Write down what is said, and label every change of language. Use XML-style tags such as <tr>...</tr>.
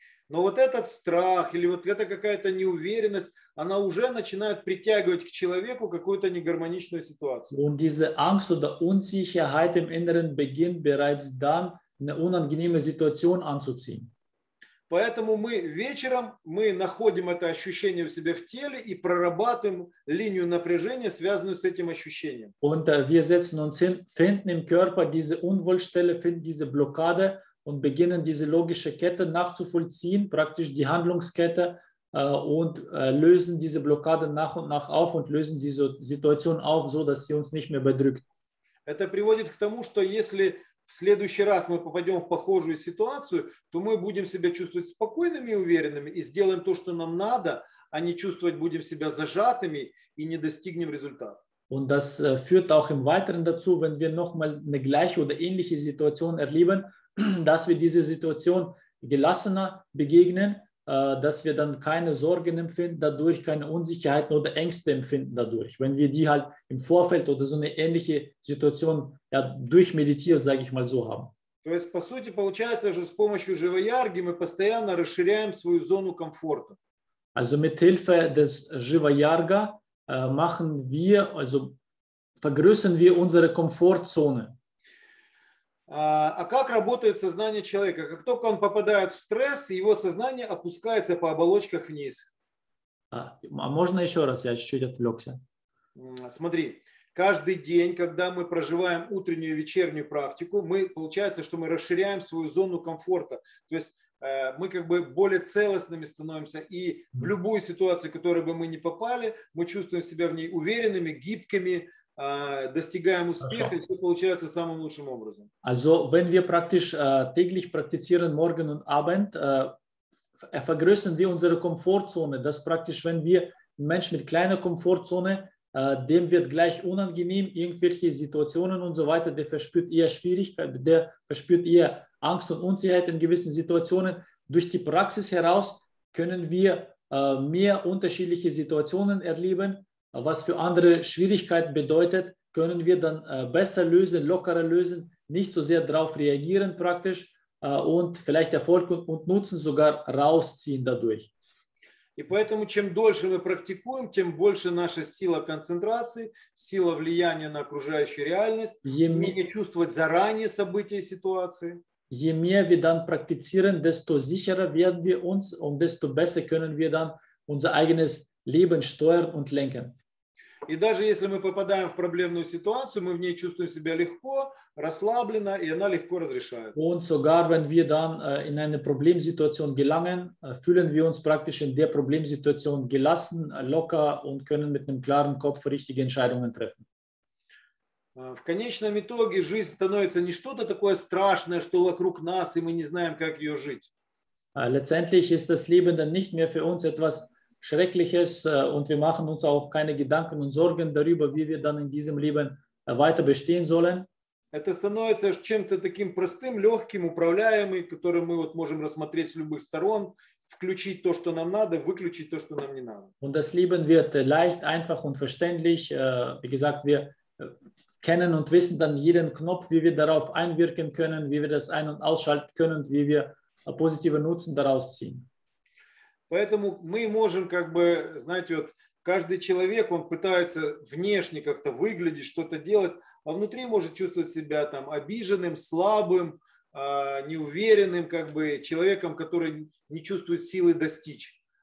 <ru>Но вот этот страх или вот эта какая-то неуверенность, она уже начинает притягивать к человеку какую-то негармоничную ситуацию.</ru> <de>Und diese Angst oder Unsicherheit im Inneren beginnt bereits dann, eine unangenehme Situation anzuziehen.</de> <ru>Поэтому мы вечером мы находим это ощущение в себе в теле и прорабатываем линию напряжения, связанную с этим ощущением.</ru> <de>Und wir setzen uns hin, finden im Körper diese Unwohlstelle, finden diese Blockade und beginnen diese logische Kette nachzuvollziehen, praktisch die Handlungskette und lösen diese Blockade nach und nach auf und lösen diese Situation auf, so dass sie uns nicht mehr bedrückt.</de> <ru>Это приводит к тому, что если в следующий раз мы попадем в похожую ситуацию, то мы будем себя чувствовать спокойными и уверенными и сделаем то, что нам надо, а не чувствовать будем себя зажатыми и не достигнем результата.</ru> <de>Und das führt auch im Weiteren dazu, wenn wir nochmal eine gleiche oder ähnliche Situation erleben, dass wir diese Situation gelassener begegnen, dass wir dann keine Sorgen empfinden dadurch, keine Unsicherheiten oder Ängste empfinden dadurch, wenn wir die halt im Vorfeld oder so eine ähnliche Situation ja, durchmeditiert, sage ich mal so, haben.</de> <ru>То есть, по сути, получается, что с помощью Живаярги мы постоянно расширяем свою зону комфорта.</ru> <de>Also mit Hilfe des Живаярга machen wir, also vergrößern wir unsere Komfortzone.</de> <ru>А как работает сознание человека? Как только он попадает в стресс, его сознание опускается по оболочках вниз. А можно еще раз? Я чуть-чуть отвлекся. Смотри, каждый день, когда мы проживаем утреннюю и вечернюю практику, мы, получается, что мы расширяем свою зону комфорта. То есть мы как бы более целостными становимся, и в любую ситуацию, в которую бы мы ни попали, мы чувствуем себя в ней уверенными, гибкими, достигаем успеха, хорошо. И все получается самым лучшим образом.</ru> <de>Also, wenn wir praktisch täglich praktizieren, morgen und abend, vergrößern wir unsere Komfortzone, dass praktisch, wenn wir ein Mensch mit kleiner Komfortzone, dem wird gleich unangenehm, irgendwelche Situationen und so weiter, der verspürt eher Schwierigkeit, der verspürt eher Angst und Unsicherheit in gewissen Situationen. Durch die Praxis heraus können wir mehr unterschiedliche Situationen erleben, was für andere Schwierigkeiten bedeutet, können wir dann besser lösen, lockerer lösen, nicht so sehr darauf reagieren praktisch und vielleicht Erfolg und Nutzen sogar rausziehen dadurch.</de> <ru>И поэтому, чем дольше мы практикуем, тем больше наша сила концентрации, сила влияния на окружающую реальность, умение чувствовать заранее события и ситуации.</ru> <de>Je mehr wir dann praktizieren, desto sicherer werden wir uns und desto besser können wir dann unser eigenes Leben steuern und lenken.</de> <ru>И даже если мы попадаем в проблемную ситуацию, мы в ней чувствуем себя легко, расслабленно, и она легко разрешается.</ru> <de>Und sogar wenn wir dann in eine Problemsituation gelangen, fühlen wir uns praktisch in der Problemsituation gelassen, locker und können mit einem klaren Kopf richtige Entscheidungen treffen.</de> <ru>В конечном итоге жизнь становится не что-то такое страшное, что вокруг нас, и мы не знаем, как ее жить.</ru> <de>Letztendlich ist das Leben dann nicht mehr für uns etwas Schreckliches und wir machen uns auch keine Gedanken und Sorgen darüber, wie wir dann in diesem Leben weiter bestehen sollen.</de> <ru>Это становится чем-то таким простым, легким, управляемым, который мы вот можем рассмотреть с любых сторон, включить то, что нам надо, выключить то, что нам не надо.</ru> <de>Und das Leben wird leicht, einfach und verständlich. Wie gesagt, wir kennen und wissen dann jeden Knopf, wie wir darauf einwirken können, wie wir das ein- und ausschalten können, wie wir positive Nutzen daraus ziehen.</de> <ru>Поэтому мы можем, как бы, знаете, вот каждый человек, он пытается внешне как-то выглядеть, что-то делать, а внутри может чувствовать себя там обиженным, слабым, неуверенным, как бы человеком, который не чувствует силы достичь.</ru>